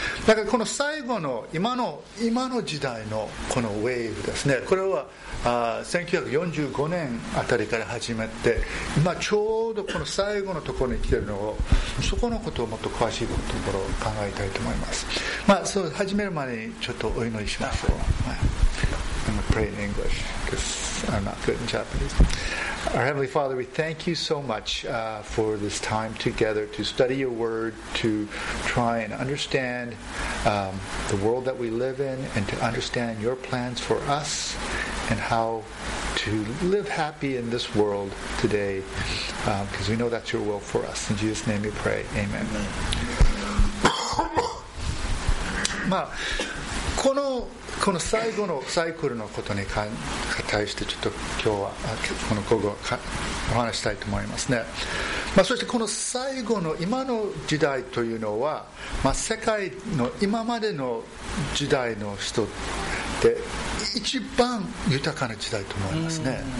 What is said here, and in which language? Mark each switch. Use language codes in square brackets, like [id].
[ja] だからこの最後の今の時代のこのウェーブですね、これは1945年あたりから始まって、今ちょうどこの最後のところに来ているのを、そこのことをもっと詳しいところを考えたいと思います。まあ、そう始める前にちょっとお祈りしましょう。 [en] I'm praying in English because I'm not good in Japanese. Our Heavenly Father, we thank you so much for this time together to study your word, to try and understand the world that we live in, and to understand your plans for us and howTo live happy in this world today, because we know that's your will for us. In Jesus' name we pray. Amen. [ja] まあ、この最後のサイクルのことに関してちょっと今日はこの午後お話したいと思いますね。まあ、そしてこの最後の今の時代というのは、まあ、世界の今までの時代の人で一番豊かな時代と思いますね。